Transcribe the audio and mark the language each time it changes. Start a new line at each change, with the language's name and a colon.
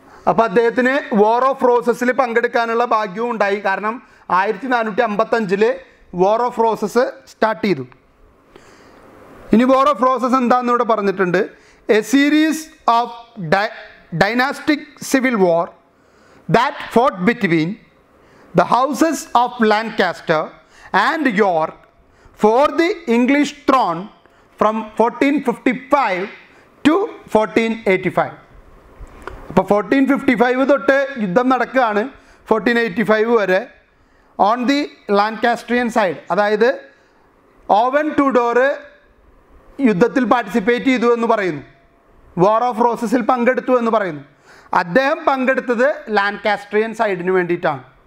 Malayalam: അപ്പോൾ അദ്ദേഹത്തിന് war of റോസസിൽ പങ്കെടുക്കാനുള്ള ഭാഗ്യവും ഉണ്ടായി. കാരണം 1455 വോർ ഓഫ് റോസസ് സ്റ്റാർട്ട് ചെയ്തു. ഇനി വോർ ഓഫ് റോസസ് എന്താണെന്ന് ഇവിടെ പറഞ്ഞിട്ടുണ്ട്.
English: A series of dynastic civil war that fought between the houses of Lancaster and York for the English throne from 1455 to 1485.
Malayalam: അപ്പോൾ 1455 തൊട്ട് യുദ്ധം നടക്കുകയാണ്. 1485 വരെ
English: on the Lancastrian side,
Malayalam: അതായത് ഓവൻ ടുഡോറ് യുദ്ധത്തിൽ പാർട്ടിസിപ്പേറ്റ് ചെയ്തു എന്ന് പറയുന്നു. വാർ ഓഫ് റോസസിൽ പങ്കെടുത്തു എന്ന് പറയുന്നു. അദ്ദേഹം പങ്കെടുത്തത് ലാൻകാസ്ട്രിയൻ സൈഡിന് വേണ്ടിയിട്ടാണ്.